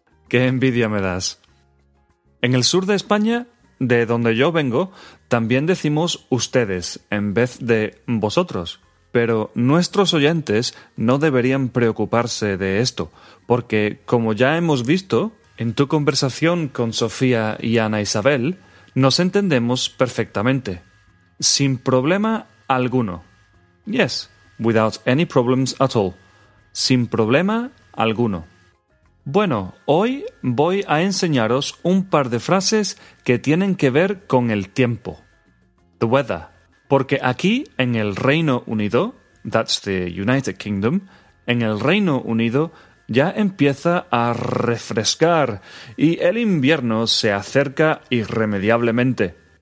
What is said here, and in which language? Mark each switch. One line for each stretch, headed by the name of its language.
Spanish: ¡Qué envidia me das! En el sur de España, de donde yo vengo, también decimos ustedes en vez de vosotros. Pero nuestros oyentes no deberían preocuparse de esto, porque como ya hemos visto en tu conversación con Sofía y Ana Isabel, nos entendemos perfectamente. Sin problema alguno.
English: Yes, without any problems at all.
Spanish: Sin problema alguno. Bueno, hoy voy a enseñaros un par de frases que tienen que ver con el tiempo.
English: The weather.
Spanish: Porque aquí, en el Reino Unido,
English: that's the United Kingdom,
Spanish: en el Reino Unido, ya empieza a refrescar y el invierno se acerca irremediablemente.